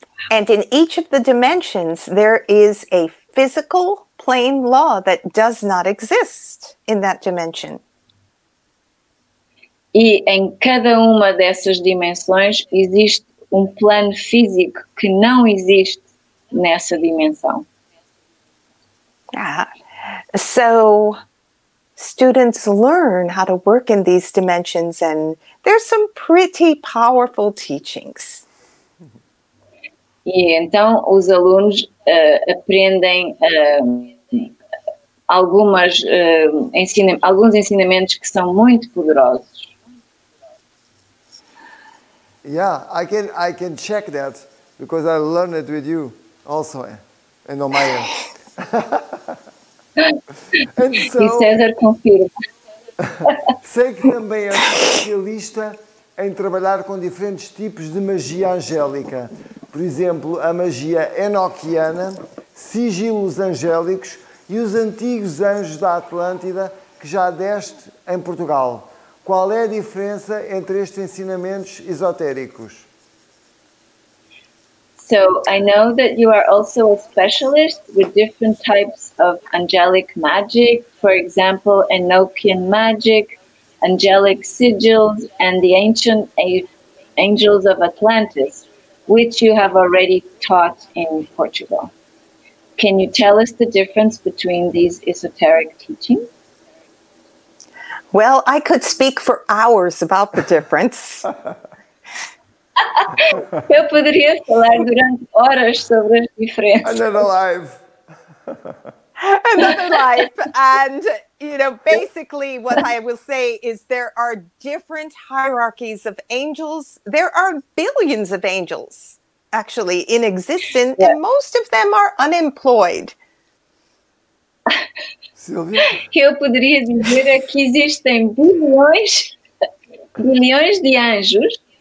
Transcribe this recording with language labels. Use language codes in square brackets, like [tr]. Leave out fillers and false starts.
[en] And in each of the dimensions, there is a physical plane law that does not exist in that dimension. [pt] E em cada uma dessas dimensões existe plano físico que não existe nessa dimensão. [en] Ah, so students learn how to work in these dimensions and there's some pretty powerful teachings. [pt] E então os alunos aprendem alguns ensinamentos que são muito poderosos. [en] Yeah, I can check that because I learned it with you also and Omaya. And so, [pt] e César confirma. Sei que também é especialista em trabalhar com diferentes tipos de magia angélica. Por exemplo, a magia enoquiana, sigilos angélicos e os antigos anjos da Atlântida que já deste em Portugal. Qual é a diferença entre estes ensinamentos esotéricos? [en] So, I know that you are also a specialist with different types of angelic magic, for example, Enochian magic, angelic sigils, and the ancient angels of Atlantis, which you have already taught in Portugal. Can you tell us the difference between these esoteric teachings? Well, I could speak for hours about the difference. [pt] Eu poderia falar durante horas sobre as diferenças. [en] Another life. Another life. And, you know, basically what I will say is there are different hierarchies of angels. There are billions of angels actually in existence, yeah. And most of them are unemployed. Silvia? [pt] Eu poderia dizer que existem bilhões de anjos.